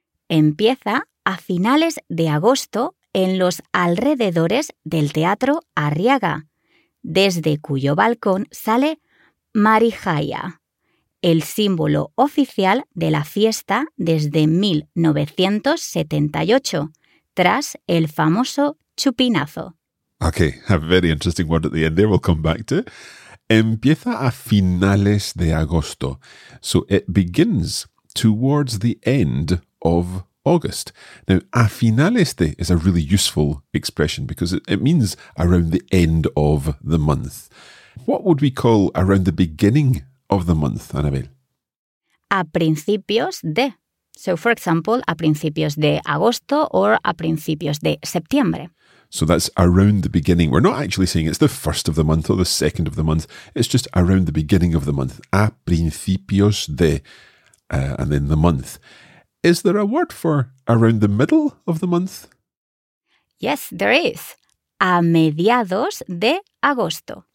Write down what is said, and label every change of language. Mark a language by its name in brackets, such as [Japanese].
[Spanish] Empieza a finales de agosto en los alrededores del Teatro Arriaga, desde cuyo balcón sale Marijaya, el símbolo oficial de la fiesta desde 1978, tras el famoso chupinazo. [English] Okay, a very interesting word at the end there, we'll come back to. [Spanish] Empieza a finales de agosto. [English] So it begins towards the end of August. Now, [Spanish] a finales de [English] is a really useful expression because it means around the end of the month. What would we call around the beginning of the month, Anabel? [Spanish] A principios de. [English] So, for example, [Spanish] a principios de agosto [English] or [Spanish] a principios de septiembre. [English] So that's around the beginning. We're not actually saying it's the first of the month or the second of the month. It's just around the beginning of the month. [Spanish] A principios de. [English] And then the month. Is there a word for around the middle of the month? Yes, there is. [Spanish] A mediados de agosto.